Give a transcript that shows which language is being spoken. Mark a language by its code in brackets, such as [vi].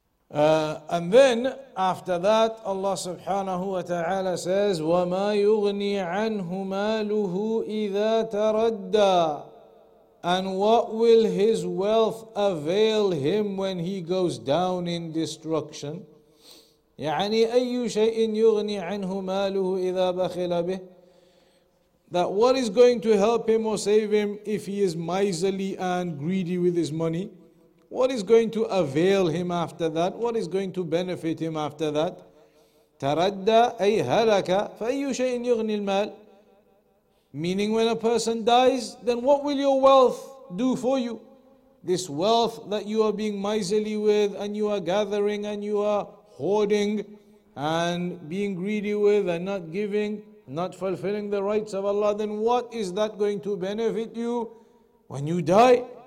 [en] And then after that, Allah subhanahu wa ta'ala says, [ar] وَمَا يُغْنِي عَنْهُ مَالُهُ إِذَا تَرَدَّى. [en] And what will his wealth avail him when he goes down in destruction? [ar] يعني أي شيء يغني عنه ماله إذا بخل به. [en] That what is going to help him or save him if he is miserly and greedy with his money? What is going to avail him after that? What is going to benefit him after that? [ar] تردى أي هلك فأي شيء يغني المال. [en] Meaning when a person dies, then what will your wealth do for you? This wealth that you are being miserly with and you are gathering and you are hoarding and being greedy with and not giving, not fulfilling the rights of Allah, then what is that going to benefit you when you die?